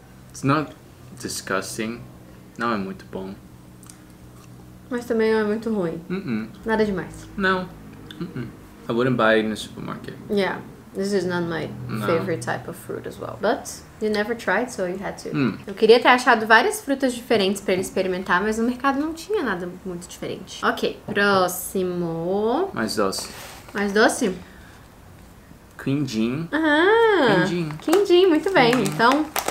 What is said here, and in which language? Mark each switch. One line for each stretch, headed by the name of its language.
English: It's not disgusting.
Portuguese: Não é muito bom. Mas também não é muito ruim. Mm-mm. Nada demais. Não. Mm-mm.
English: I wouldn't buy it in a supermarket. Yeah. This is not my favorite type of fruit as well. But you never tried, so you had to.
Portuguese: Eu queria ter achado várias frutas diferentes pra ele experimentar, mas no mercado não tinha nada muito diferente. Ok, próximo. Mais doce. Mais doce? Quindim. Ah, quindim, muito bem. Quindim. Então...